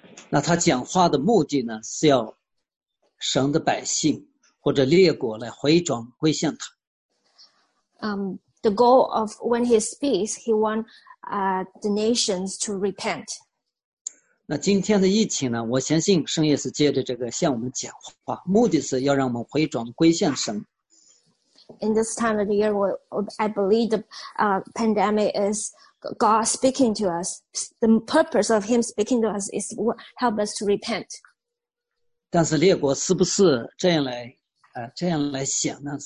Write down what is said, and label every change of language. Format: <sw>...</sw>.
<zh>那他讲话的目的呢，是要神的百姓或者列国来回转归向他。</zh> <en>The goal of when he speaks, he wants the nations to repent.</en> <zh>那今天的疫情呢，我相信神也是借着这个向我们讲话，目的是要让我们回转归向神。</zh> <en>In this time of the year, I believe the pandemic is God speaking to us. The purpose of him speaking to us is to help us to repent.</en> <zh>但是列国是不是这样来这样来想呢？</zh>